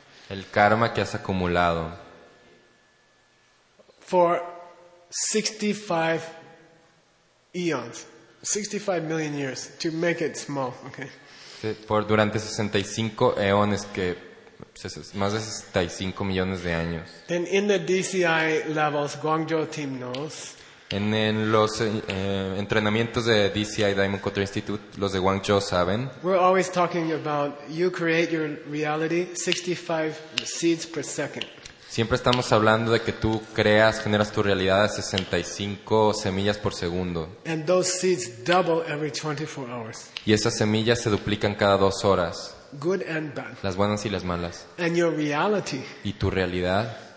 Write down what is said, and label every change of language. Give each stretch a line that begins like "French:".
Spanish: El karma que has acumulado.
English: For 65 eons, 65 million years, to make it small, okay?
Spanish: Por durante 65 eones que más de 65 millones de años.
English: Then in the DCI levels, Guangzhou team knows.
Spanish: En los entrenamientos de DCI Diamond Control Institute, los de Guangzhou saben.
English: We're always talking about you create your reality 65 seeds per second.
Spanish: Siempre estamos hablando de que tú creas, generas tu realidad a 65 semillas por segundo.
English: And those seeds double every 24 hours.
Spanish: Y esas semillas se duplican cada dos horas.
English: Good and bad.
Spanish: Las buenas y las malas.
English: And your reality.
Spanish: Y tu realidad.